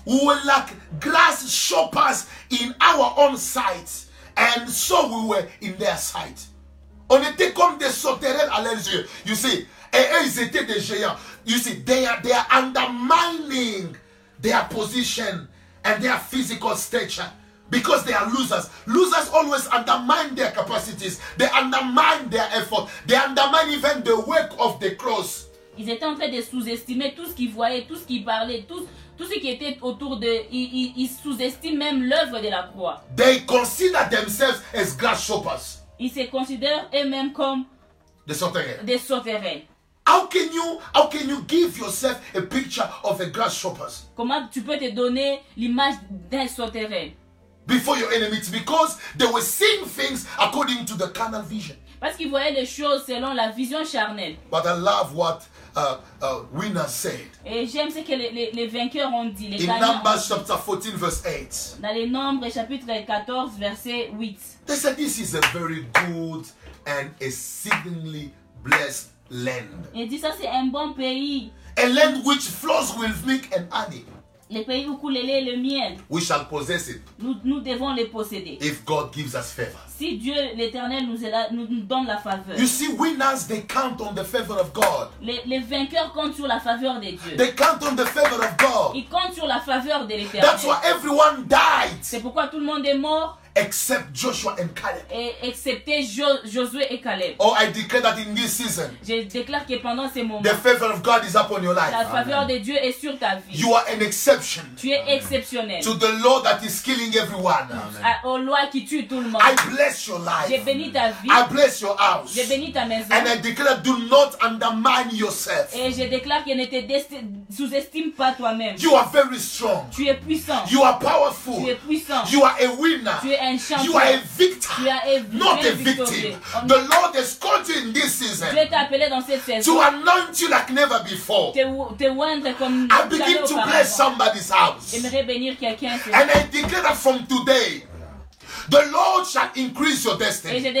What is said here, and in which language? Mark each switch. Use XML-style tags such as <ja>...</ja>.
<en>We were like grasshoppers in our own sight, and so we were in their sight.</en> <fr>On était comme des sauterelles à leurs yeux.</fr> <en>You see,</en> <fr>et eux ils étaient des géants.</fr> <en>You see, they are undermining their position and their physical stature because they are losers. Losers always undermine their capacities. They undermine their effort. They undermine even the work of the cross.</en> <fr>Ils étaient en train de sous-estimer tout ce qu'ils voyaient, tout ce qu'ils parlaient, tout ce qui était autour de. Ils sous-estiment même l'œuvre de la croix.</fr> <en>They consider themselves as grasshoppers.</en> <fr>Ils se considèrent eux-mêmes comme des sauterelles. Des sauterelles.</fr> <en>How can you give yourself a picture of a grasshopper?</en> <fr>Comment tu peux te donner l'image d'un sauterelle?</fr> <en>Before your enemies, because they were seeing things according to the carnal vision.</en> <fr>Parce qu'ils voyaient les choses selon la vision charnelle.</fr> <en>But I love what winners said.</en> <fr>Et j'aime ce que les vainqueurs ont dit. Les</fr> <en>in Numbers chapter 14 verse 8.</en> <fr>Dans les Nombres chapitre 14 verset 8.</fr> <en>They said this is a very good and exceedingly blessed land.</en> <fr>Et dit ça c'est un bon pays.</fr> <en>A land which flows with milk and honey.</en> <fr>Le pays où coule le miel.</fr> <en>We shall possess it.</en> <fr>Nous devons le posséder.</fr> <en>If God gives us favor.</en> <fr>Si Dieu l'Éternel nous donne la faveur.</fr> <en>You see, winners they count on the favor of God.</en> <fr>Les vainqueurs comptent sur la faveur de Dieu.</fr> <en>They count on the favor of God.</en> <fr>Ils comptent sur la faveur de l'Éternel.</fr> <en>That's why everyone died.</en> <fr>C'est pourquoi tout le monde est mort.</fr> <en>Except Joshua and Caleb.</en> <fr>Et excepté Josué et Caleb.</fr> <en>Oh, I declare that in this season.</en> <fr>Je déclare que pendant ces moments.</fr> <en>The favor of God is upon your life.</en> <fr>La faveur de Dieu est sur ta vie.</fr> <en>You are an exception.</en> <fr>Tu es exceptionnel.</fr> <en>To the law that is killing everyone.</en> <fr>Aux lois qui tuent tout le monde.</fr> <en>I bless your life.</en> <fr>Je bénis ta vie.</fr> <en>I bless your house.</en> <fr>Je bénis ta maison.</fr> <en>And I declare, do not undermine yourself.</en> <fr>Et je déclare que ne te sous-estime pas toi-même.</fr> <en>You are very strong.</en> <fr>Tu es puissant.</fr> <en>You are powerful.</en> <fr>Tu es puissant.</fr> <en>You are a winner.</en> <fr>Tu es</fr> <en>You are a victor, not a victim. The Lord has called you in this season to anoint you like never before. I begin to bless somebody's house. And I declare that from today, the Lord shall increase your destiny.</en>